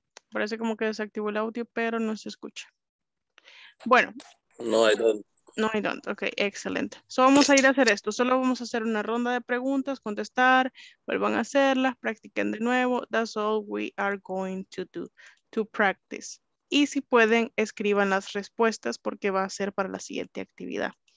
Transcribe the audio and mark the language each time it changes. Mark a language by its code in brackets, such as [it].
[es] Parece como que desactivó el audio, pero no se escucha. Bueno. [en] No, I don't. No, I don't. [es] Ok, excelente. So vamos a ir a hacer esto. Solo vamos a hacer una ronda de preguntas, contestar, vuelvan a hacerlas, practiquen de nuevo. [en] That's all we are going to do, to practice. [es] Y si pueden, escriban las respuestas porque va a ser para la siguiente actividad.